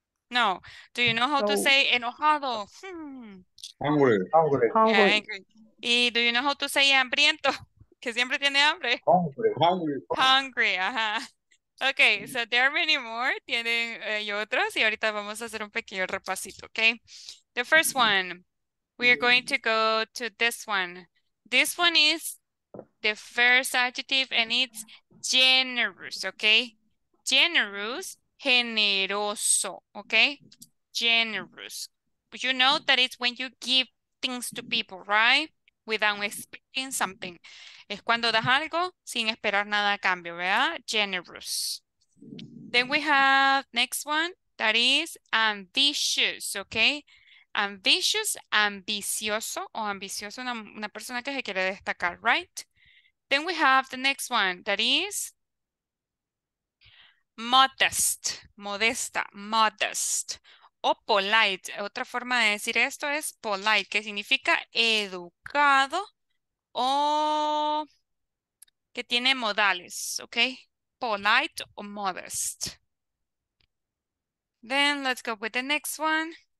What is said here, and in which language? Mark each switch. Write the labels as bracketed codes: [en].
[en] No. Do you know how to say enojado? Hungry. Yeah, angry. ¿Y do you know how to say hambriento? [es] Que siempre tiene hambre. [en] Hungry. Ajá. Okay, so there are many more. [es] Tienen y otros, y ahorita vamos a hacer un pequeño repasito, okay? [en] The first one, we are going to go to this one. This one is the first adjective, and it's generous, okay? Generous, generoso, okay? Generous. But you know that it's when you give things to people, right? Without expecting something. [es] Es cuando das algo sin esperar nada a cambio, ¿verdad? [en] Generous. Then we have next one, that is ambitious, okay? [es] Ambitious, ambicioso, o ambicioso, una persona que se quiere destacar, right? [en] Then we have the next one, that is modest, modesta, modest. [es] O polite, otra forma de decir esto es polite, que significa educado o que tiene modales, ¿ok? [en] Polite o modest. Then let's go with the next one.